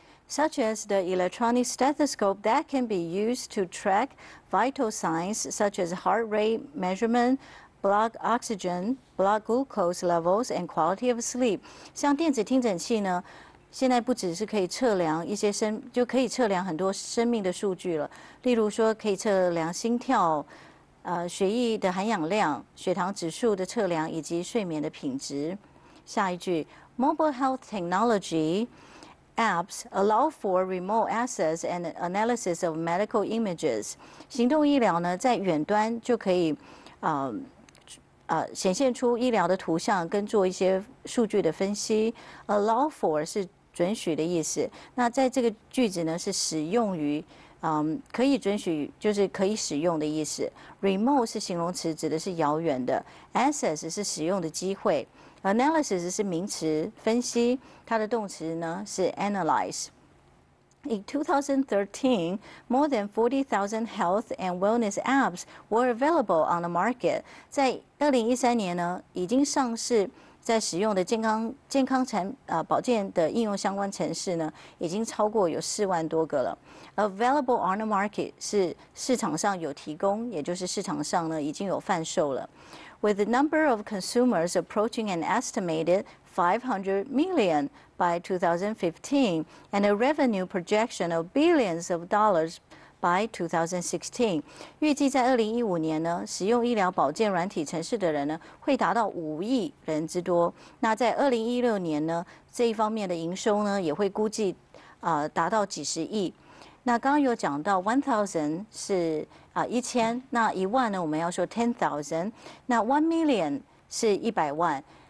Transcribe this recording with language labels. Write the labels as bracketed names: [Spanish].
[English] such as the electronic stethoscope that can be used to track vital signs such as heart rate measurement。 Blood oxygen, blood glucose levels, and quality of sleep. [Chinese] 像电子听诊器呢，现在不只是可以测量一些生，就可以测量很多生命的数据了。例如说，可以测量心跳、血液的含氧量、血糖指数的测量，以及睡眠的品质。下一句 [English] ，mobile health technology apps allow for remote access and analysis of medical images. [Chinese] 行动医疗呢，在远端就可以，显现出医疗的图像跟做一些数据的分析 ，allow for 是准许的意思。那在这个句子呢，是使用于，可以准许，就是可以使用的意思。 Remote 是形容词，指的是遥远的。Access 是使用的机会。 Analysis 是名词，分析。它的动词呢是 analyze。 [English] In 2013, more than 40,000 health and wellness apps were available on the market. [Chinese] 在2013年呢，已经上市在使用的健康产保健的应用相关程式呢，已经超过有40,000多个了。 Available on the market 是市场上有提供，也就是市场上呢已经有贩售了。 [English] With the number of consumers approaching an estimated 500 million. By 2015, and a revenue projection of billions of dollars by 2016. [Chinese] 预计在2015年呢，使用医疗保健软体程式的人呢，会达到5亿人之多。那在2016年呢，这一方面的营收呢，也会估计达到几十亿。那刚刚有讲到 1,000 是1,000，那10,000呢，我们要说10,000，那1,000,000是1,000,000。